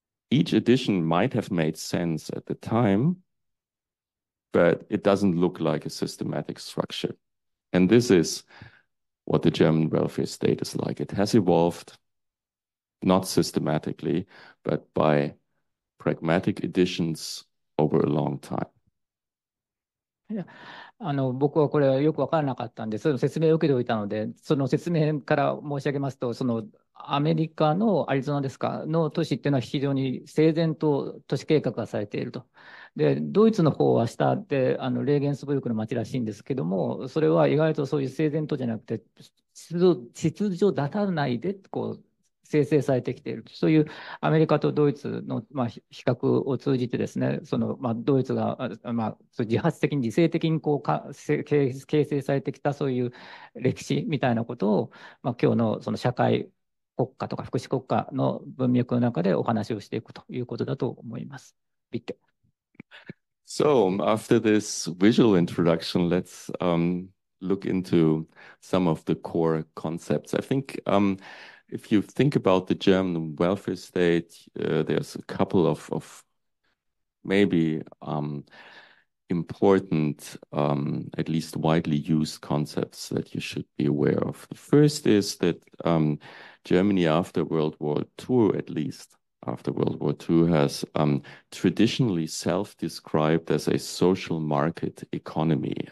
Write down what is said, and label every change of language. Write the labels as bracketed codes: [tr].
[en] Each addition might have made sense at the time, but it doesn't look like a systematic structure. And this is what the German welfare state is like. It has evolved, not systematically, but by pragmatic additions over a long time. Yeah. [ja] 僕はこれはよく分からなかったんで、その説明を受けておいたので、その説明から申し上げますと、そのアメリカのアリゾナですか、の都市っていうのは非常に整然と都市計画がされていると。で、ドイツの方は下で、レーゲンスブルクの街らしいんですけども、それは意外とそういう整然とじゃなくて、秩序立たないで、こう、生成されてきている。そういうアメリカとドイツの、比較を通じてですね、その、ドイツが、自発的に、理性的にこうか形成されてきたそういう歴史みたいなことを、今日のその社会国家とか福祉国家の文脈の中でお話をしていくということだと思います。ビッケ。 [en] So, after this visual introduction, let's look into some of the core concepts. I think if you think about the German welfare state, there's a couple of maybe important, at least widely used concepts that you should be aware of. The first is that Germany, after World War II, at least, after World War II has traditionally self-described as a social market economy.